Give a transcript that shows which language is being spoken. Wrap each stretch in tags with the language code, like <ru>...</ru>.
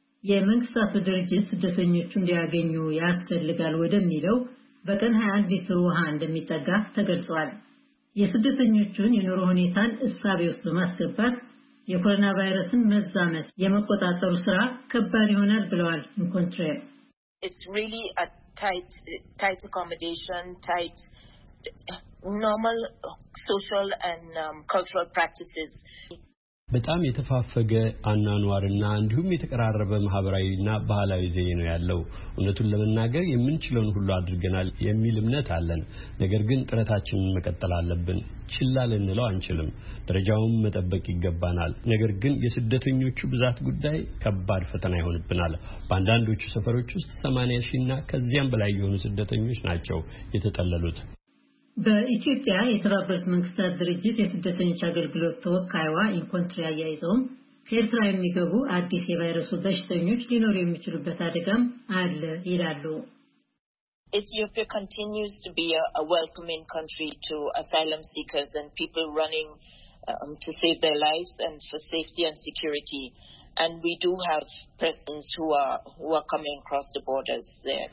<am>የመንግስታቱ ድርጅት ስደተኞቹ እንዲያገኙ ያስፈልጋል ወደሚለው በቀን 21 ሊትር ውሃ እንደሚጠጋ ተገልጿል። የስደተኞቹን የኑሮ ሁኔታን እሳቤ ውስጥ በማስገባት የኮሮና ቫይረስን መዛመት የመቆጣጠሩ ስራ ከባድ ይሆናል ብለዋል ኢንኮንትሬ።</am> <en>It's really a tight accommodation, tight normal social and cultural practices.</en> <am>በጣም የተፋፈገ አኗኗርና እንዲሁም የተቀራረበ ማህበራዊና ባህላዊ ዘዬ ነው ያለው። እነቱን ለመናገር የምንችለውን ሁሉ አድርገናል የሚል እምነት አለን። ነገር ግን ጥረታችንን መቀጠል አለብን። ችላ ልንለው አንችልም። ደረጃውን መጠበቅ ይገባናል። ነገር ግን የስደተኞቹ ብዛት ጉዳይ ከባድ ፈተና ይሆንብናል። በአንዳንዶቹ ሰፈሮች ውስጥ 80,000ና ከዚያም በላይ የሆኑ ስደተኞች ናቸው የተጠለሉት። በኢትዮጵያ የተባበሩት መንግስታት ድርጅት የስደተኞች አገልግሎት ተወካይዋ ኢንኮንትሪ አያይዘውም ከኤርትራ የሚገቡ አዲስ የቫይረሱ በሽተኞች ሊኖሩ የሚችሉበት አደጋም አለ ይላሉ።</am> <en>Ethiopia continues to be a welcoming country to asylum seekers and people running to save their lives and for safety and security. And we do have persons who are coming across the borders there.</en>